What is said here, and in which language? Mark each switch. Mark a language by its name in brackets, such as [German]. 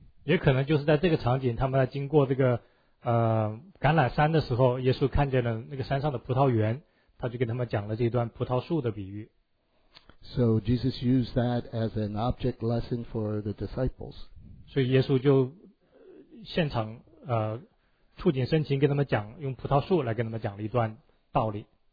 [Chinese] 也可能就是在这个场景，他们在经过这个橄榄山的时候，耶稣看见了那个山上的葡萄园，他就跟他们讲了这段葡萄树的比喻。 [English] So Jesus used that as an object lesson for the disciples. [Chinese] 所以耶稣就现场触景生情跟他们讲，用葡萄树来跟他们讲了一段道理。